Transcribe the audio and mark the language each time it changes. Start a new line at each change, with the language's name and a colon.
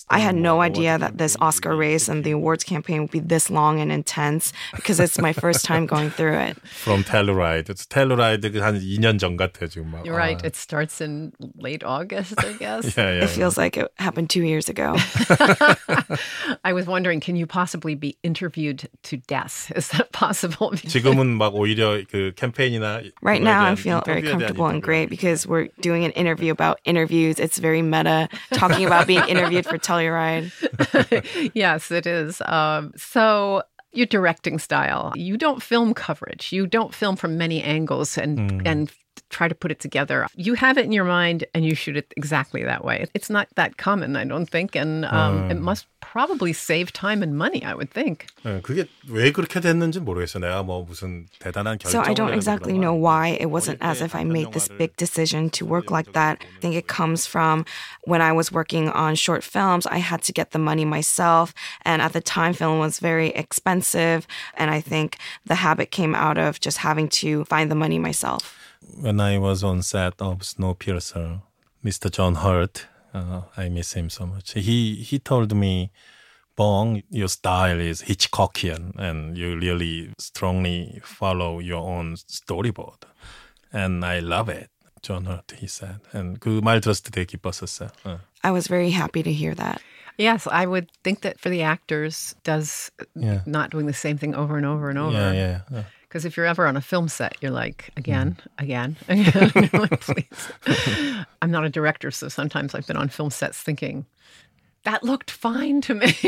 English: I had no idea that this Oscar race and the awards campaign would be this long and intense because it's my first time going through it. From Telluride. It's Telluride
Korean: 한 2년 전 같아, 지금 막.
English: You're right. It starts in late August, I guess. Yeah. It feels like it happened 2 years ago. I was wondering, can you possibly be interviewed to death? Is that possible?
Korean: 지금은 막 오히려 그 캠페인이나
English: Right now, I feel very comfortable and great because we're doing an interview about interviews. It's very meta, talking about being interviewed for Telluride. Yes, it is. So your directing style, you don't film coverage. You don't film from many angles and try to put it together. You have it in your mind and you shoot it exactly that way. It's not that common, I don't think. And it must probably save time and money, I would think.
Korean: 그게 왜 그렇게 됐는지 모르겠어요. 내가 뭐 무슨 대단한 결정을
English: So I don't exactly know why it wasn't as if I made this big decision to work like that. I think it comes from when I was working on short films, I had to get the money myself. And at the time, film was very expensive. And I think the habit came out of just having to find the money myself. When I was on set of Snowpiercer, Mr. John Hurt, I miss him so much. He told me, Bong, your style is Hitchcockian and you really strongly follow your own storyboard. And I love it, John Hurt, he said.
Korean: And 그 말 들었을 때 되게 기뻤었어요.
English: I was very happy to hear that. Yes, I would think that for the actors, not doing the same thing over and over and over. Yeah. Because if you're ever on a film set, you're like, again, you're like, please. I'm not a director, so sometimes I've been on film sets thinking, that looked fine to me.